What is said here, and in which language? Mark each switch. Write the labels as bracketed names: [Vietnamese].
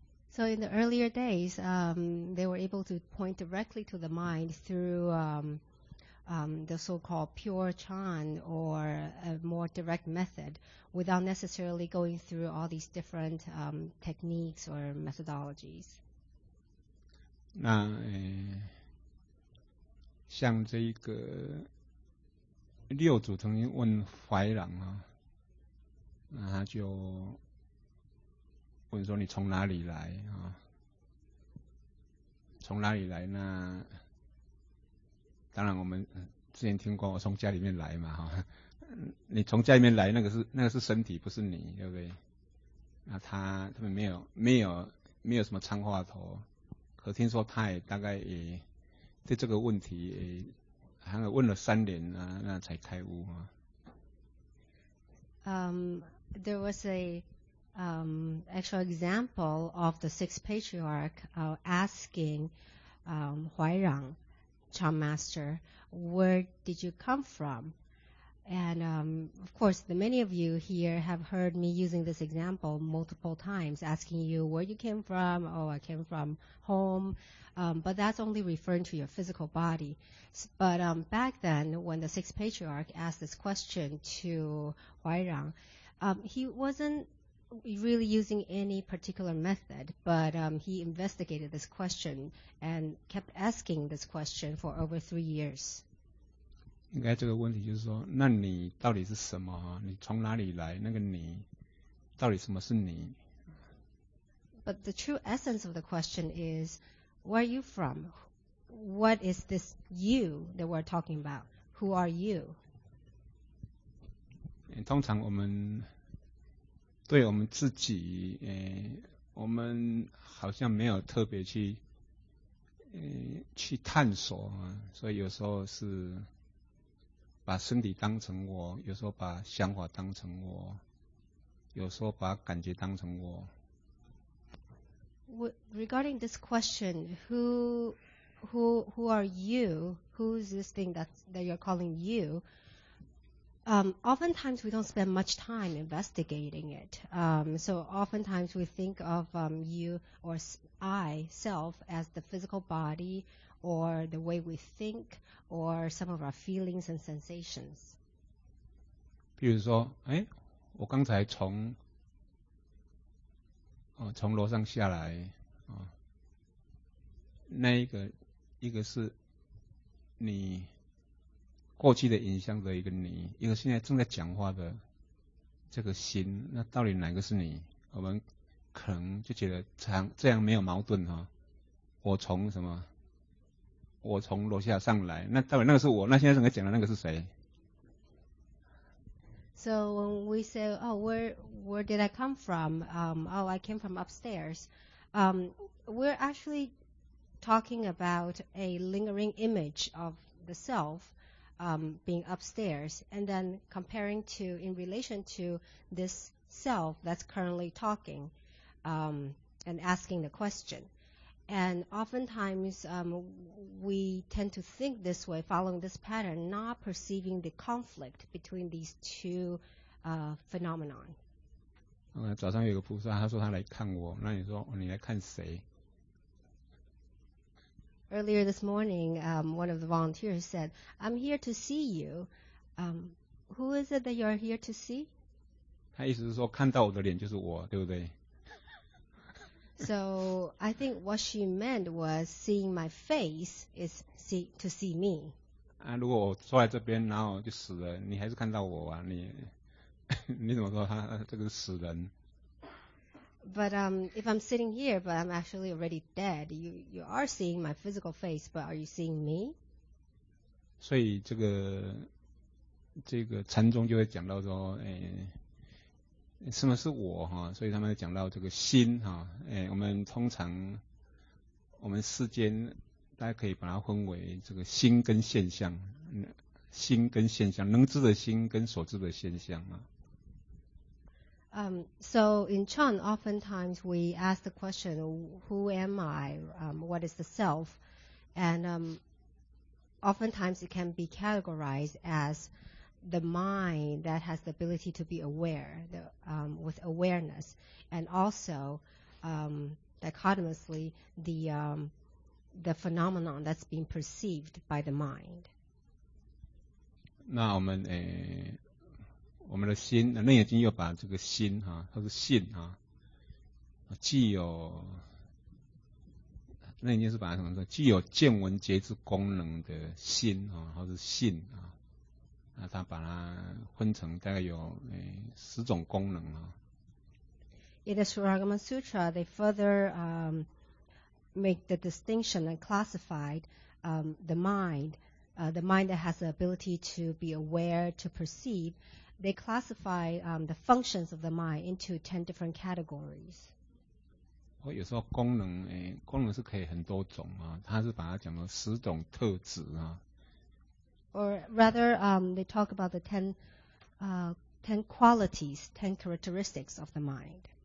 [English] So in the earlier days, they were able to point directly to the mind through the so-called pure chan or a more direct method, without necessarily going through all these different techniques or methodologies. [Chinese] 那像这一个六祖曾经问怀朗啊，那他就问说你从哪里来啊？从哪里来？那当然我们之前听过，我从家里面来嘛哈、啊。你从家里面来，那个是身体，不是你，对不对？那他们没有什么参话头，可听说他也大概也。对这个问题，还问了三年啊，那才开悟啊。 [English] There was a actual example of the sixth patriarch asking Huai Rang, Chan Master, where did you come from? And of course, the many of you here have heard me using this example multiple times, asking you where you came from. Oh, I came from home. But that's only referring to your physical body. But back then, when the sixth patriarch asked this question to Huai Rang, he wasn't really using any particular method, but he investigated this question and kept asking this question for over 3 years. [Chinese] 应该这个问题就是说，那你到底是什么？你从哪里来？那个你，到底什么是你？ [English] But the true essence of the question is,Where are you from? What is this you that we're talking about? Who are you? [Chinese] 通常我们对我们自己，我们好像没有特别去探索，所以有时候是把身体当成我，有时候把想法当成我，有时候把感觉当成我。 [English] Regarding this question, who are you? Who is this thing that you're calling you? Oftentimes we don't spend much time investigating it. So oftentimes we think of you or I self as the physical body or the way we think or some of our feelings and sensations. [Chinese] 比如说，哎，我刚才从哦从楼上下来啊、哦，那一个是你。过去的影像的一个你，一个现在正在讲话的这个心，那到底哪个是你？我们可能就觉得这样没有矛盾哈、哦。我从什么？我从楼下上来，那到底那个是我？那现在正在讲的那个是谁 [English] ？So when we say, "Oh, where did I come from?" Oh, I came from upstairs. We're actually talking about a lingering image of the self. Being upstairs, and then comparing to in relation to this self that's currently talking and asking the question. And oftentimes we tend to think this way, following this pattern, not perceiving the conflict between these two phenomena. [Chinese] 早上有一个菩萨，他说他来看我，那你说你来看谁？ [English] Earlier this morning, one of the volunteers said, "I'm here to see you." Who is it that you're here to see? [Chinese] 他意思是说，看到我的脸就是我，对不对 [English] ？So I think what she meant was seeing my face is to see me. [Chinese] 啊，如果我坐在这边，然后就死了，你还是看到我啊？你你怎么说他这个死人？ [English] But if I'm sitting here, but I'm actually already dead, you are seeing my physical face, but are you seeing me? [Chinese] 所以这个禅宗就会讲到说，哎，什么是我哈？所以他们讲到这个心哈，哎，我们通常我们世间大家可以把它分为这个心跟现象，心跟现象，能知的心跟所知的现象啊。 [English] So in Chan, oftentimes we ask the question, who am I? What is the self? And oftentimes it can be categorized as the mind that has the ability to be aware, with awareness. And also, dichotomously, the phenomenon that's being perceived by the mind. [Chinese] 那我们我们的心，那楞严经又把这个心哈、啊，它是性哈、啊，既有楞严经是把它什么说，既有见闻觉知功能的心啊，或是性啊，那它把它分成大概有十种功能啊。 [English] In the Suragama Sutra, they further make the distinction and classified the mind that has the ability to be aware, to perceive. They classify the functions of the mind into 10 different categories. [Chinese] 我有时候功能，功能是可以很多种啊，他是把它讲了十种特质啊。 [English] Or rather, they talk about the 10 qualities, 10 characteristics of the mind.